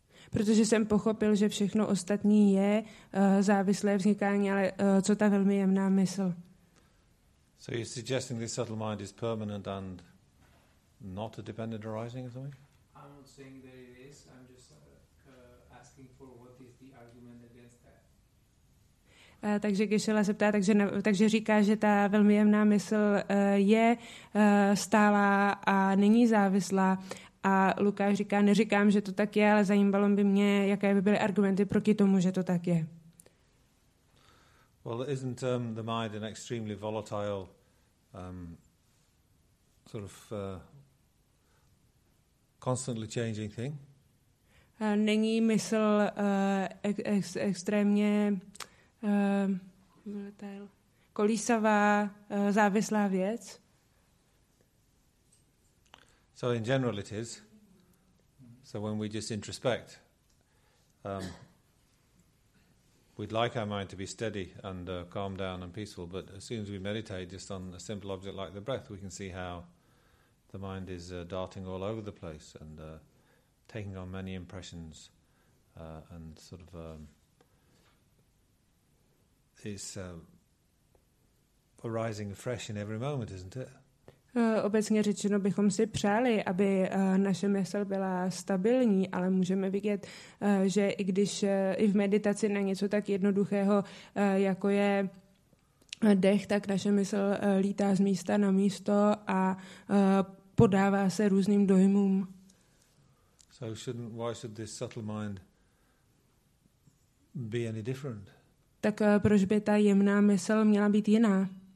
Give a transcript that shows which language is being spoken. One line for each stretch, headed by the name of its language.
Czech: Protože jsem pochopil, že všechno ostatní je závislé vznikání, ale co ta velmi jemná mysl?
English: So you're suggesting this subtle mind is permanent and not a dependent arising or something? I'm not saying that it is. I'm just asking for what is the argument against that.
Czech: Takže Geshe-la se ptá, takže říká, že ta velmi jemná mysl je stálá a není závislá. A Lukáš říká, neříkám, že to tak je, ale zajímalo by mě, jaké by byly argumenty proti tomu, že to tak je.
English: Well, isn't the mind an extremely volatile sort of constantly changing thing?
Czech: Není mysl extrémně volatile, kolísavá, závislá věc?
English: So in general it is. So when we just introspect, we'd like our mind to be steady and calm down and peaceful, but as soon as we meditate just on a simple object like the breath, we can see how the mind is darting all over the place and taking on many impressions and sort of is arising afresh in every moment, isn't it?
Czech: Obecně řečeno bychom si přáli, aby naše mysl byla stabilní, ale můžeme vidět, že i když i v meditaci na něco tak jednoduchého, jako je dech, tak naše mysl lítá z místa na místo a podává se různým dojmům.
English: So shouldn't, why should this subtle mind be any different?
Czech: Tak proč by ta jemná mysl měla být jiná?